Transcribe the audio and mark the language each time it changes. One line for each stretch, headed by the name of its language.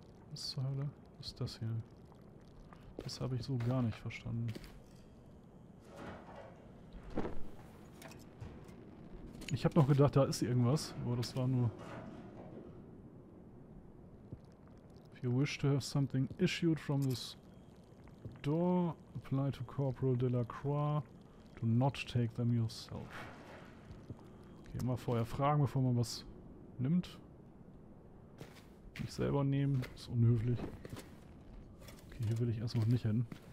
German: Was zur Hölle? Was ist das hier? Das habe ich so gar nicht verstanden. Ich hab noch gedacht, da ist irgendwas, aber das war nur...
English: If you wish to have something issued from this door, apply to Corporal Delacroix. Do not take them yourself.
German: Okay, immer vorher fragen, bevor man was nimmt. Nicht selber nehmen, ist unhöflich. Okay, hier will ich erstmal nicht hin.